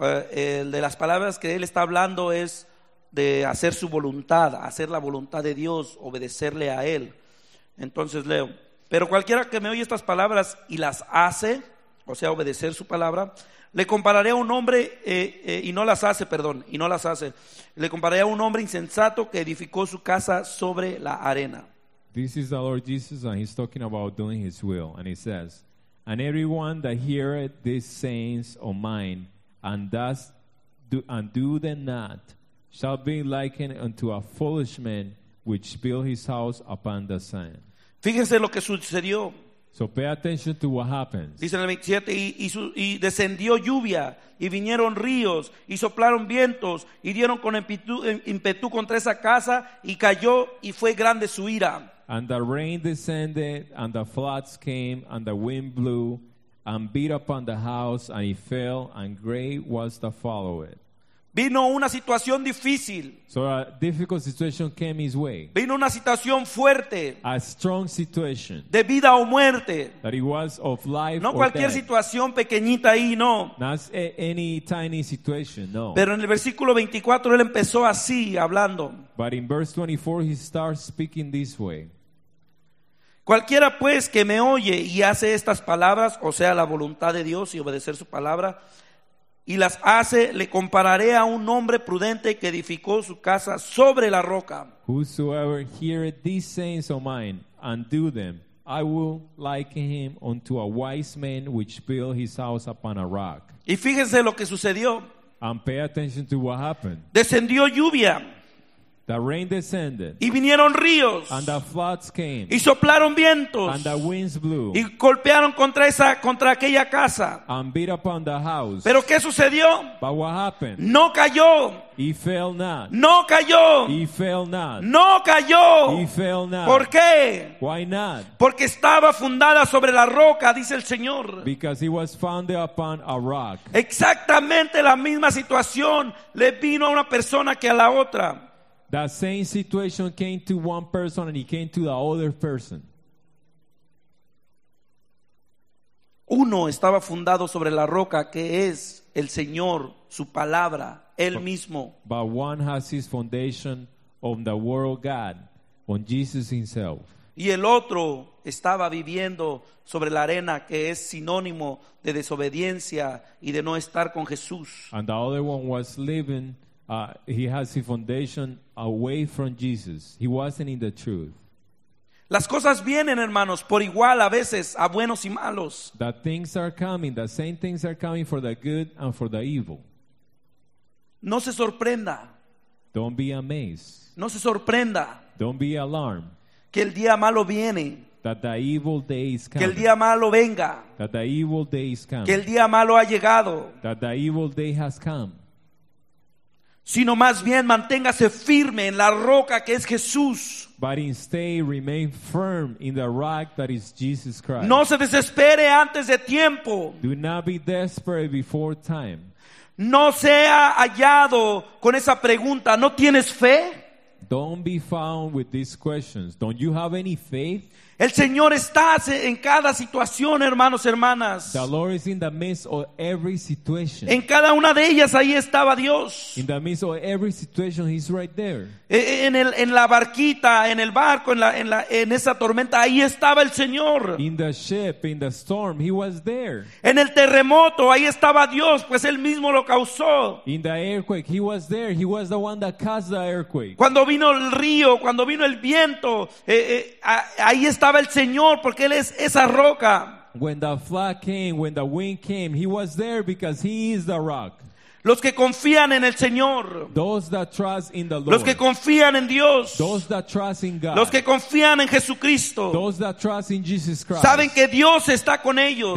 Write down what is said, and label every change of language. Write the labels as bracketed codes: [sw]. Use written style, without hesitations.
[es] El de las palabras que él está hablando es de hacer su voluntad, hacer la voluntad de Dios, obedecerle a él. Entonces leo, pero cualquiera que me oye estas palabras y las hace, o sea obedecer su palabra, le compararé a un hombre le compararé a un hombre insensato que edificó su casa sobre la arena. [en] This is the Lord Jesus and he's talking about doing his will and he says, and everyone that heareth these sayings of mine and do them not, shall be likened unto a foolish man which built his house upon the sand. [es] Fíjense lo que sucedió. [en] So pay attention to what happens. [es] Dice en el 27, y descendió lluvia, y vinieron ríos, y soplaron vientos, y dieron con impetu contra esa casa, y cayó, y fue grande su ira. [en] And the rain descended, and the floods came, and the wind blew, and beat upon the house, and it fell, and great was the fall of it. [es] Vino una situación difícil. [en] So a difficult situation came his way. [es] Vino una situación fuerte. [en] A strong situation. [es] De vida o muerte. [en] That it was of life [es] no [en] or [es] cualquier [en] death. [es] Situación pequeñita ahí, no. [en] Not any tiny situation, no. [es] Pero en el versículo 24, él empezó así, hablando. [en] But in verse 24, he starts speaking this way. [es] Cualquiera pues que me oye y hace estas palabras, o sea la voluntad de Dios y obedecer su palabra, y las hace, le compararé a un hombre prudente que edificó su casa sobre la roca. [en] Whosoever heareth these sayings of mine and do them, I will liken him unto a wise man which built his house upon a rock. [es] Y fíjense lo que sucedió. [en] And pay attention to what happened. [es] Descendió lluvia. [en] The rain descended. [es] Y vinieron ríos. [en] And the floods came. [es] Y soplaron vientos. [en] And the winds blew. [es] Y golpearon contra esa, contra aquella casa. [en] And beat upon the house. [es] Pero ¿qué sucedió? [en] But what happened? [es] No cayó. [en] He fell not. [es] No cayó. [en] He fell not. [es] No cayó. [en] He fell not. [es] ¿Por qué? [en] Why not? [es] Porque estaba fundada sobre la roca, dice el Señor. [en] Because he was founded upon a rock. [es] Exactamente la misma situación le vino a una persona que a la otra. [en] The same situation came to one person and it came to the other person. [es] Uno estaba fundado sobre la roca que es el Señor, su palabra, él mismo. [en] But one has his foundation on the world God, on Jesus himself. [es] Y el otro estaba viviendo sobre la arena que es sinónimo de desobediencia y de no estar con Jesús. [en] And the other one was living, he has his foundation away from Jesus. He wasn't in the truth. [es] Las cosas vienen, hermanos, por igual a veces, a buenos y malos. [en] The things are coming, the same things are coming for the good and for the evil. [es] No se sorprenda. [en] Don't be amazed. [es] No se sorprenda. [en] Don't be alarmed. [es] Que el día malo viene. [en] That the evil day is coming. [es] Que el día malo venga. [en] That the evil day is coming. [es] Que el día malo ha llegado. [en] That the evil day has come. [es] Sino más bien manténgase firme en la roca que es Jesús. [en] But instead remain firm in the rock that is Jesus Christ. [es] No se desespere antes de tiempo. [en] Do not be desperate before time. [es] No sea hallado con esa pregunta. ¿No tienes fe? [en] Don't be found with these questions. Don't you have any faith? [es] El Señor está en cada situación, hermanos, hermanas. [en] The Lord is in the midst of every situation. [es] En cada una de ellas ahí estaba Dios. [en] In the midst of every situation, he's right there. [es] En la barquita, en el barco, en esa tormenta, ahí estaba el Señor. [en] In the ship, in the storm, he was there. [es] En el terremoto, ahí estaba Dios, pues él mismo lo causó. [en] In the earthquake, he was there. He was the one that caused the earthquake. [es] Cuando vino el río, cuando vino el viento, ahí estaba el Señor porque él es esa roca. [en] When the flood came, when the wind came, he was there because he is the rock. [es] Los que confían en el Señor. [en] Those that trust in the Lord. [es] Los que confían en Dios. [en] Those that trust in God. [es] Los que confían en Jesucristo. [en] Those that trust in Jesus Christ. [es] Saben que Dios está con ellos.